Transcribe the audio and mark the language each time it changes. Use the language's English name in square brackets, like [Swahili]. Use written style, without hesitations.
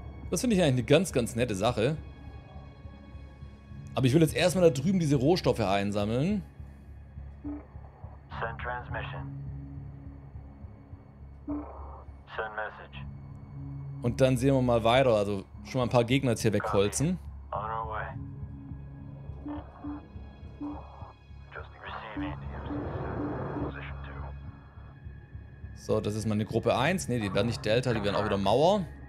[German] Das finde ich eigentlich eine ganz, ganz nette Sache. Aber ich will jetzt erstmal da drüben diese Rohstoffe einsammeln. [English] Send transmission. Send message. [German] Und dann sehen wir mal weiter. Also schon mal ein paar Gegner jetzt hier wegholzen. [English] On our way. Just receiving position two. [German] So, das ist meine Gruppe 1. Ne, die werden nicht Delta, die werden auch wieder Mauer.